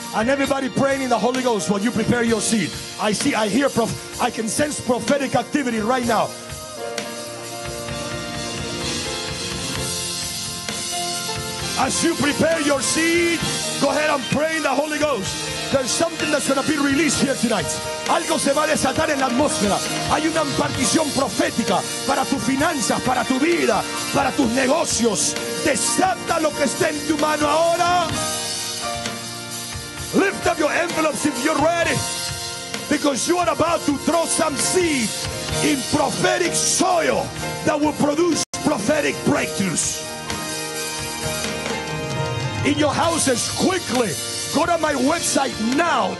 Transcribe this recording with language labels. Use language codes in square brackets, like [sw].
[en] And everybody praying in the Holy Ghost while you prepare your seed. I see, I hear, I can sense prophetic activity right now. As you prepare your seed, go ahead and pray in the Holy Ghost. There's something that's going to be released here tonight. [es] Algo se va a desatar en la atmósfera. Hay una impartición profética para tus finanzas, para tu vida, para tus negocios. Desata lo que esté en tu mano ahora. [en] Lift up your envelopes if you're ready. Because you are about to throw some seed in prophetic soil that will produce prophetic breakthroughs. In your houses, quickly. Go to my website now.